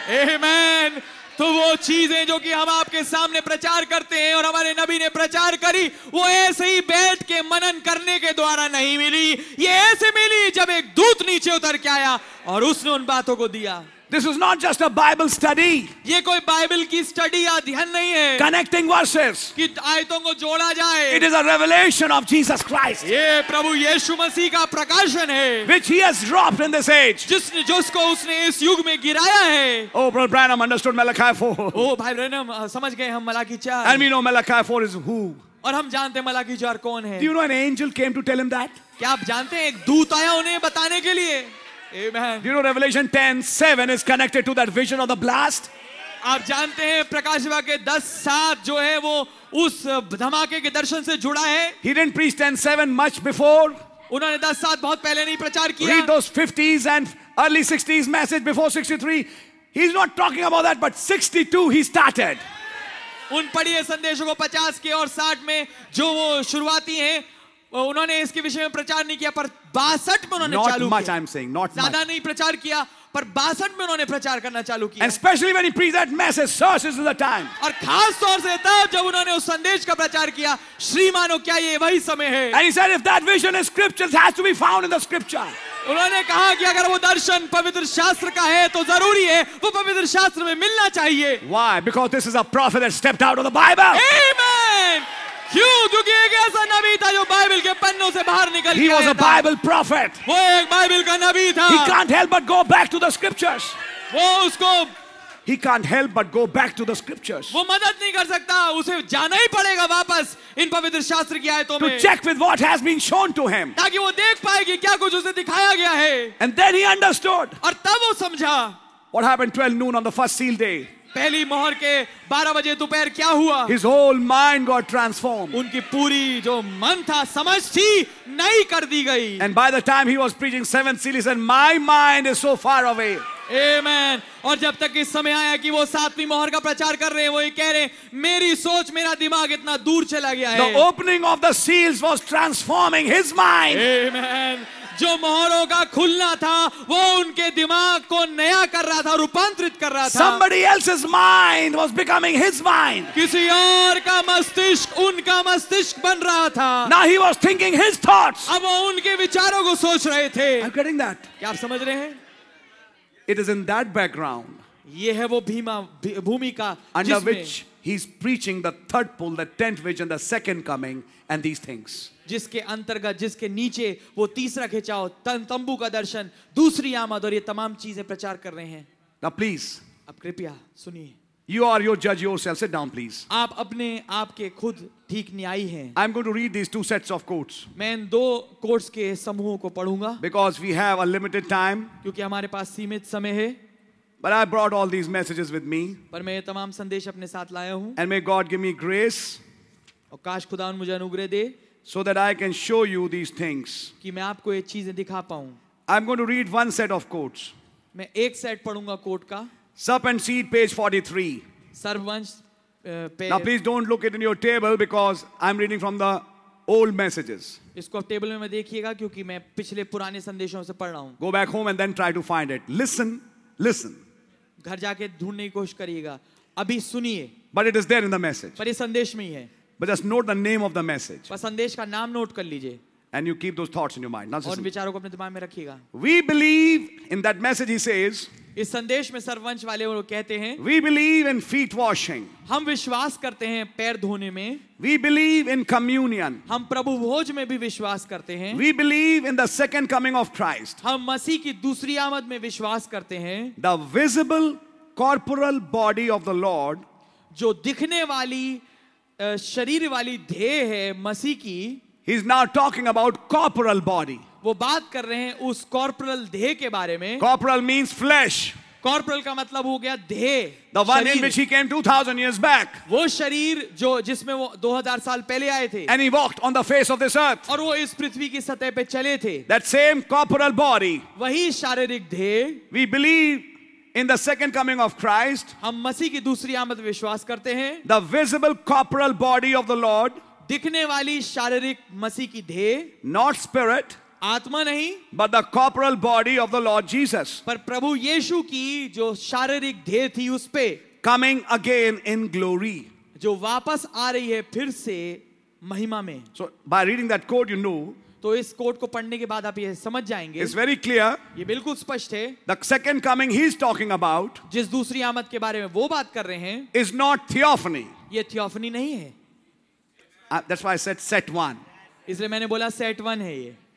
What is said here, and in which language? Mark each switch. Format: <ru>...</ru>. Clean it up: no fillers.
<en>Amen.</en> <hi>तो वो चीजें जो कि हम आपके सामने प्रचार करते हैं और हमारे नबी ने प्रचार करी वो ऐसे ही बैठ के मनन करने के द्वारा नहीं मिली. ये ऐसे मिली जब एक दूत नीचे उतर के आया और उसने उन बातों को दिया.</hi> <en>This is not just a Bible study.</en> <hi>ये कोई बाइबल की स्टडी या अध्ययन नहीं है.</hi> <en>Connecting verses.</en> <hi>कि आयतों को जोड़ा जाए.</hi> <en>It is a revelation of Jesus Christ.</en> <hi>ये प्रभु यीशु मसीह का प्रकाशन है.</hi> <en>Which he has dropped in this age.</en> <hi>जिसको उसने इस युग में गिराया है.</hi> <en>Oh, Brother Branham understood Malachi 4.</en> <hi>Oh, भाई ब्रैनम समझ गए हम Malachi 4.</hi> <en>And we know Malachi 4 is who.</en> <hi>और हम जानते हैं मलाकी 4 कौन है.</hi> <en>Do you know an angel came to tell him that?</en> <hi>क्या आप जानते हैं एक दूत आया उन्हें बताने के लिए.</hi> <en>Amen. You know Revelation 10:7 is connected to that vision of the blast.</en> <hi>आप जानते हैं प्रकाशवा के 10:7 जो है वो उस धमाके के दर्शन से जुड़ा है.</hi> <en>He didn't preach 10:7 much before.</en> <hi>उन्होंने 10:7 बहुत पहले नहीं प्रचार किया.</hi> <en>Read those 50s and early 60s message before 63. He's not talking about that, but 62 he started.</en> <hi>उन पढ़िए संदेशों को 50 के और 60 में जो वो शुरुआती हैं उन्होंने इसके विषय में प्रचार नहीं किया पर 62 में उन्होंने चालू किया।</hi> <en>Not much I'm saying, not much.</en> <hi>ज़्यादा नहीं प्रचार किया पर 62 में उन्होंने प्रचार करना चालू किया।</hi> <en>And especially when he preached that message, this is the time.</en> <hi>और खास तौर से तब जब उन्होंने उस संदेश का प्रचार किया, श्रीमानो क्या ये वही समय है?</hi> <en>And he said if that vision is scripture, it has to be found in the scripture.</en> <hi>उन्होंने कहा कि अगर वो दर्शन पवित्र शास्त्र का है तो जरूरी है वो पवित्र शास्त्र में मिलना चाहिए।</hi> <en>Why? Because this is a prophet that stepped out of the Bible.</en> <hi>Amen. क्यों? क्योंकि एक ऐसा नबी था जो बाइबल के पन्नों से बाहर निकल</hi> <en>गया। He was a Bible prophet.</en> <hi>वो एक बाइबल का नबी था।</hi> <en>He can't help but go back to the scriptures.</en> <hi>वो उसको</hi> <en>He can't help but go back to the scriptures.</en> <hi>वो मदद नहीं कर सकता, उसे जाना ही पड़ेगा वापस इन पवित्र शास्त्र की आयतों में।</hi> <en>To check with what has been shown to him.</en> <hi>ताकि वो देख पाए कि क्या कुछ उसे दिखाया गया है।</hi> <en>And then he understood.</en> <hi>और तब वो समझा।</hi> <en>What happened 12 noon on the first seal day?</en> <hi>पहली मोहर के 12 बजे दोपहर क्या हुआ?</hi> <en>His whole mind got transformed.</en> <hi>उनकी पूरी जो मन था, समझ थी, नई कर दी गई।</hi> <en>And by the time he was preaching seventh seal, he said, "My mind is so far away." Amen.</en> <hi>और जब तक इस समय आया कि वो सातवीं मोहर का प्रचार कर रहे हैं, वो ये कह रहे हैं, मेरी सोच, मेरा दिमाग इतना दूर चला गया है।</hi> <en>The opening of the seals was transforming his mind. Amen.</en> <hi>जो मोहरों का खुलना था वो उनके दिमाग को नया कर रहा था, रूपांतरित कर रहा था।</hi> <en>Somebody else's mind was becoming his mind.</en> <hi>किसी और का मस्तिष्क उनका मस्तिष्क बन रहा था।</hi> <en>Now he was thinking his thoughts.</en> <hi>अब वो उनके विचारों को सोच रहे थे।</hi> <en>I'm getting that.</en> <hi>क्या आप समझ रहे हैं?</hi> <en>It is in that background.</en> <hi>ये है वो भीमा भूमि का</hi> <en>under which he's preaching the third pole, the tenth vision, the second coming, and these things.</en> <hi>जिसके अंतर्गत, जिसके नीचे वो तीसरा खिंचाव, तंबू का दर्शन, दूसरी आमद और ये तमाम चीजें प्रचार कर रहे हैं।</hi> <en>Now please.</en> <hi>अब कृपया सुनिए।</hi> <en>You are your judge yourself. Sit down, please.</en> <hi>आप अपने आप के खुद ठीक न्यायी हैं।</hi> <en>I'm going to read these two sets of quotes.</en> <hi>मैं दो quotes के समूहों को पढ़ूंगा।</hi> <en>Because we have a limited time.</en> <hi>क्योंकि हमारे पास सीमित समय है।</hi> <en>But I brought all these messages with me.</en> <hi>पर मैं ये तमाम संदेश अपने साथ लाया हूँ।</hi> <en>And may God give me grace.</en> <hi>और काश खुदा मुझे अनुग्रह दे।</hi> <en>So that I can show you these things.</en> <hi>कि मैं आपको ये चीजें दिखा पाऊँ।</hi> <en>I'm going to read one set of quotes.</en> <hi>मैं एक सेट पढ़ूंगा कोट का।</hi> <en>Serpent Seed, page 43.</en> <hi>Sarvansh,</hi> <en>Now please don't look it in your table because I'm reading from the old messages.</en> <hi>इसको टेबल में मैं देखिएगा क्योंकि मैं पिछले पुराने संदेशों से पढ़ रहा हूँ.</hi> <en>Go back home and then try to find it. Listen, listen.</en> <hi>घर जाके ढूंढने की कोशिश करिएगा. अभी सुनिए.</hi> <en>But it is there in the message.</en> <hi>पर ये संदेश में ही है.</hi> <en>But just note the name of the message.</en> <hi>पर संदेश का नाम नोट कर लीजिए.</hi> <en>And you keep those thoughts in your mind.</en> <hi>और विचारों को अपने दिमाग में रखिएगा.</hi> <en>We believe in that message. He says.</en> <hi>इस संदेश में सर्वंश वाले वो कहते हैं।</hi> <en>We believe in feet washing.</en> <hi>हम विश्वास करते हैं पैर धोने में।</hi> <en>We believe in communion.</en> <hi>हम प्रभु भोज में भी विश्वास करते हैं।</hi> <en>We believe in the second coming of Christ.</en> <hi>हम मसीह की दूसरी आमद में विश्वास करते हैं।</hi> <en>The visible corporal body of the Lord.</en> <hi>जो दिखने वाली शरीर वाली देह है मसीह की।</hi> <en>He's now talking about corporal body.</en> <hi>वो बात कर रहे हैं उस कॉर्पोरल देह के बारे में।</hi> <en>Corporal means flesh.</en> <hi>कॉर्पोरल का मतलब हो गया देह।</hi> <en>The one in which he came 2000 years back.</en> <hi>वो शरीर जो जिसमें वो 2000 साल पहले आए थे।</hi> <en>And he walked on the face of this earth.</en> <hi>और वो इस पृथ्वी की सतह पे चले थे।</hi> <en>That same corporal body.</en> <hi>वही शारीरिक देह।</hi> <en>We believe in the second coming of Christ.</en> <hi>हम मसीह की दूसरी आमद विश्वास करते हैं।</hi> <en>The visible corporal body of the Lord.</en> <hi>दिखने वाली शारीरिक मसीह की देह।</hi> <en>Not spirit.</en> <hi>आत्मा नहीं।</hi> <en>But the corporal body of the Lord Jesus.</en> <hi>पर प्रभु यीशु की जो शारीरिक देह थी उस पे।</hi> <en>Coming again in glory.</en> <hi>जो वापस आ रही है फिर से महिमा में।</hi> <en>So by reading that quote you know.</en> <hi>तो इस quote को पढ़ने के बाद आप ये समझ जाएंगे।</hi> <en>It's very clear.</en> <hi>ये बिल्कुल स्पष्ट है।</hi> <en>The second coming he is talking about.</en> <hi>जिस दूसरी आमद के बारे में वो बात कर रहे हैं।</hi> <en>Is not theophany.</en> <hi>ये theophany नहीं है।</hi> <en>That's why I said set one.</en> <hi>इसलिए मैंने बोला</hi> <en>set one</en> <hi>है ये।</hi>